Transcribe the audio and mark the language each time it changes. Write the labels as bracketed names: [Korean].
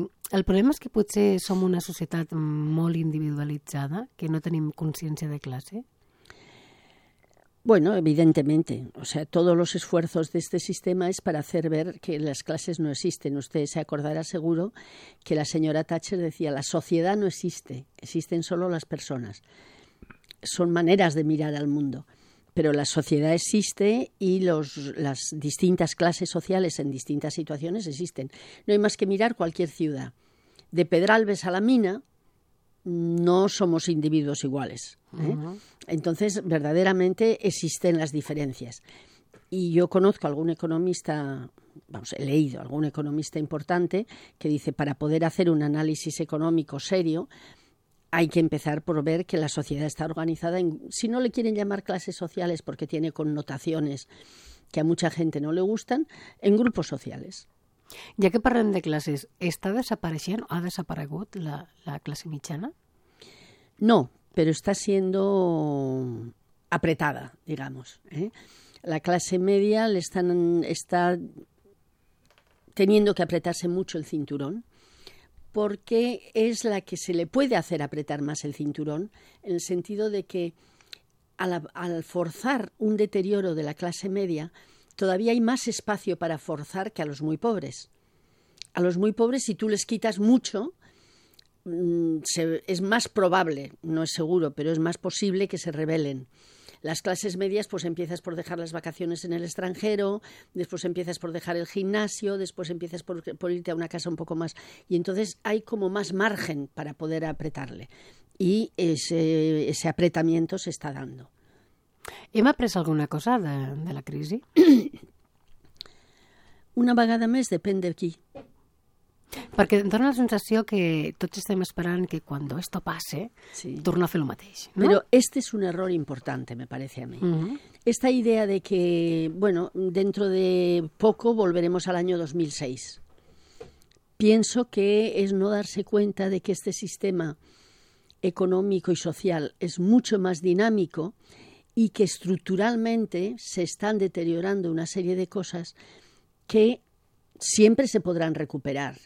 [Catalan] El problema és que potser som una societat molt individualitzada, que no tenim consciència de classe. [Spanish] Bueno, evidentemente, o sea, todos los esfuerzos de este sistema es para hacer ver que las clases no existen. Usted se acordará seguro que la señora Thatcher decía, la sociedad no existe, existen solo las personas. Son maneras de mirar al mundo, pero la sociedad existe y las distintas clases sociales en distintas situaciones existen. No hay más que mirar cualquier ciudad. De Pedralbes a La Mina, no somos individuos iguales, ¿eh? Entonces, verdaderamente existen las diferencias. Y yo conozco algún economista, vamos, he leído algún economista importante que dice, para poder hacer un análisis económico serio, hay que empezar por ver que la sociedad está organizada en, si no le quieren llamar clases sociales porque tiene connotaciones que a mucha gente no le gustan, en grupos sociales. [Catalan] Ja que parlem de classes, ¿està desapareixent o ha desaparegut la classe mitjana? [Spanish] No, pero está siendo apretada, digamos. La clase media está teniendo que apretarse mucho el cinturón porque es la que se le puede hacer apretar más el cinturón en el sentido de que al forzar un deterioro de la clase media todavía hay más espacio para forzar que a los muy pobres. A los muy pobres, si tú les quitas mucho, es más probable, no es seguro, pero es más posible que se rebelen. Las clases medias, pues empiezas por dejar las vacaciones en el extranjero, después empiezas por dejar el gimnasio, después empiezas por irte a una casa un poco más. Y entonces hay como más margen para poder apretarle. Y ese apretamiento se está dando. [Catalan] ¿Hem après alguna cosa de la crisi? Una vegada més, depèn de qui. Perquè em dona la sensació que tots estem esperant que quan [Spanish] esto [Catalan] passe, sí, torna a fer el mateix. No? Però este és es un error important, [Spanish] me parece a mi. [Catalan] Uh-huh. [Spanish] Esta idea de que, bueno, dentro de poco volveremos al año 2006. Pienso que es no darse cuenta de que este sistema económico y social es mucho más dinámico y que estructuralmente se están deteriorando una serie de cosas que siempre se podrán recuperar.